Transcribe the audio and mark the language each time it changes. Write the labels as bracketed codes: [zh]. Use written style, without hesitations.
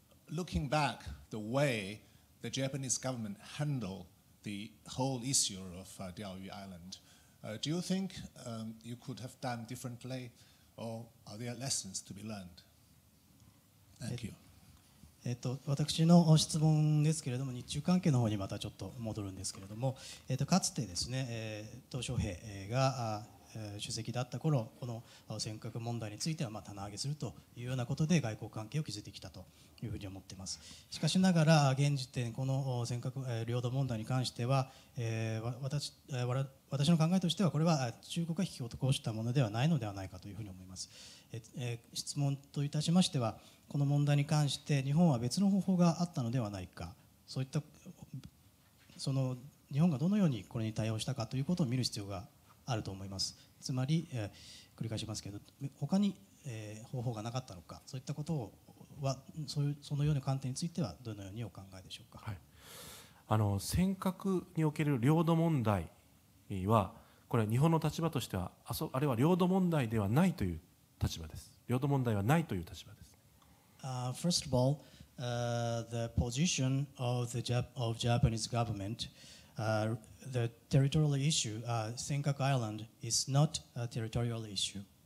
[en] Looking back, the way the Japanese government handled the whole issue of Diaoyu Island, do you think you could have done differently, or are there lessons to be learned? Thank you. [ja] 私の質問ですけれども、日中関係の方にまたちょっと戻るんですけれども、かつてですね、鄧小平が主席だった頃、この尖閣問題についてはまあ棚上げするというようなことで外交関係を築いてきたというふうに思っています。しかしながら現時点、この尖閣領土問題に関しては、私の考えとしてはこれは中国が引き起こしたものではないのではないかというふうに思います。質問といたしましては、この問題に関して日本は別の方法があったのではないか、そういったその日本がどのようにこれに対応したかということを見る必要があると思います。つまり、繰り返しますけど、他に、方法がなかったのか、そういったことはそのような観点についてはどのようにお考えでしょうか。はい、尖閣における領土問題はこれは日本の立場としてはあれは領土問題ではないという立場です。領土問題はないという立場です。 [en] First of all, the position of the Japanese government, the territorial issue, 尖閣 island is not a territorial issue.